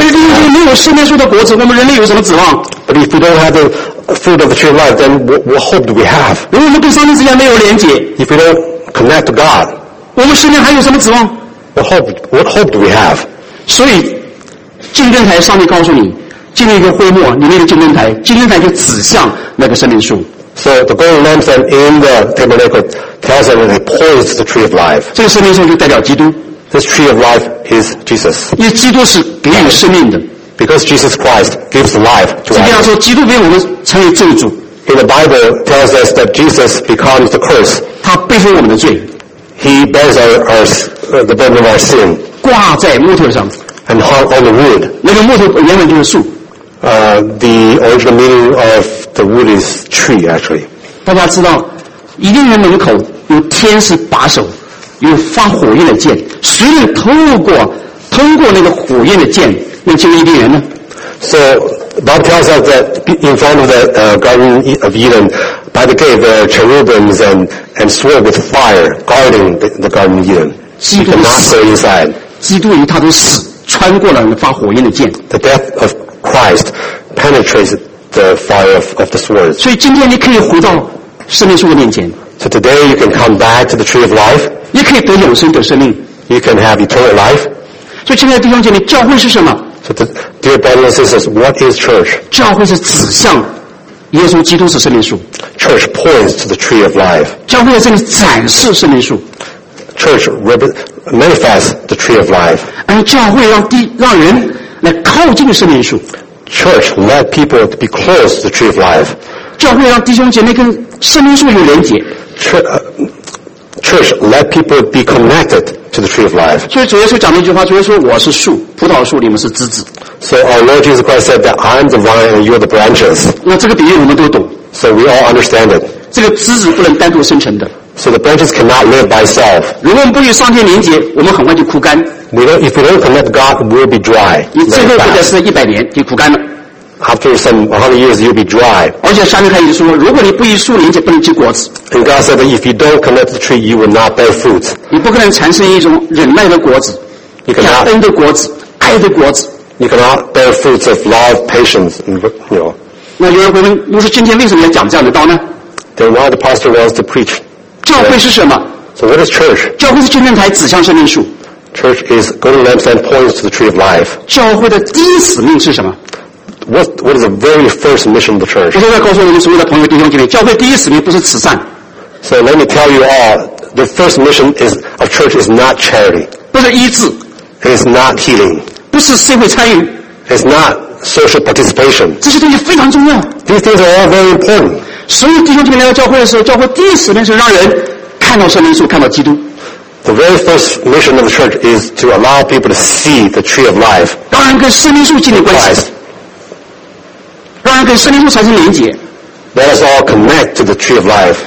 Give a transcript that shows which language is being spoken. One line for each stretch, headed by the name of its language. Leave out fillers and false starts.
Chinese: 因为没有生命树的果子，我们人类有什么指望
English: ？But if we don't have the fruit of the tree of life, then what hope do we have?
Chinese: 如果我们跟上帝之间没有连结
English: ，If we don't connect to God,
Chinese: 我们生命还有什么指望
English: ？What hope do we have?
Chinese: 所以，金灯台上帝告诉你，进入一个会幕，里面的金灯台就指向那个生命树。
English: So the golden lampstand in the tabernacle tells us that it points to the tree of life.
Chinese: 这个生命树就代表基督。
English: This tree of life is Jesus.
Chinese: 因为基督是给予生命的。
English: Because Jesus Christ gives life to us.
Chinese: 这样说，基督给我们成为咒诅。
English: In the Bible tells us that Jesus becomes the curse.
Chinese: 他背负我们的罪。
English: He bears the burden of our sin.
Chinese: 挂在木头上。
English: And hung on the wood.
Chinese: 那个木头原本就是树。
English: the original meaning of the wood is tree, actually.
Chinese: 大家知道，伊甸园门口有天使把守，有发火焰的剑，谁能通过那个火焰的剑，能进入伊甸园呢？
English: So Bob tells us that in front of the Garden of Eden, by the gate, there are cherubims and sword with fire guarding the Garden of Eden. You cannot go inside.
Chinese: 基督与他的死穿过了那发火焰的剑。
English: The death of Christ penetrates the fire of the sword.
Chinese: 所以今天你可以回到生命树的面前。
English: So today you can come back to the tree of life.
Chinese: 也可以得永生得生命。
English: You can have eternal life.
Chinese: 所以亲爱的弟兄姐妹，教会是什么？
English: So the dear brothers and sisters, what is church?
Chinese: 教会是指向耶稣基督是生命树。
English: Church points to the tree of life.
Chinese: 教会在这里展示生命树。
English: Church manifests the tree of life.
Chinese: 而教会让人来靠近生命树。
English: Church let people to be close to the tree of life.
Chinese: 教会让弟兄姐妹跟生命树有连结。
English: Church let people be connected to the tree of life.
Chinese: 所以主耶稣讲了一句话，主耶稣说我是树，葡萄树，你们是枝子。
English: So our Lord Jesus Christ said that I'm the vine and you're the branches.
Chinese: 那这个比喻我们都懂。
English: So we all understand it.
Chinese: 这个枝子不能单独生成的。
English: So the branches cannot live by itself.
Chinese: 如果我们不与上天连结，我们很快就枯干。
English: If we don't connect God, we'll be dry.
Chinese: 你最后或者是一百年，你枯干了。
English: After some 100 years, you'll be dry.
Chinese: 而且下面还有说，如果你不与树连结，不能结果子。
English: And God said that if you don't connect the tree, you will not bear fruit.
Chinese: 你不可能产生一种忍耐的果子，感恩的果子，爱的果子。
English: You cannot bear fruits of love, patience, and you know.
Chinese: 那有人会问，牧师今天为什么要讲这样的道呢？
English: Then why the pastor wants to preach?
Chinese: 教会是什么？
English: So what is church?
Chinese: 教会是金灯台，指向生命树。
English: Church is golden lampstand points to the tree of life.
Chinese: 教会的第一使命是什么？
English: What is the very first mission of the church?
Chinese: 我现在告诉我们所有的朋友弟兄姐妹，教会第一使命不是慈善。
English: So let me tell you all, the first mission of church is not charity.
Chinese: 不是医治。
English: It's not healing.
Chinese: 不是社会参与。
English: It's not social participation.
Chinese: 这些东西非常重要。
English: These things are all very important.
Chinese: 所有弟兄姐妹来到教会的时候，教会第一使命是让人看到圣灵树，看到基督。
English: The very first mission of the church is to allow people to see the tree of life.
Chinese: 当然跟圣灵树建立关系。让人跟生命树产生连结。
English: Let us all connect to the tree of life.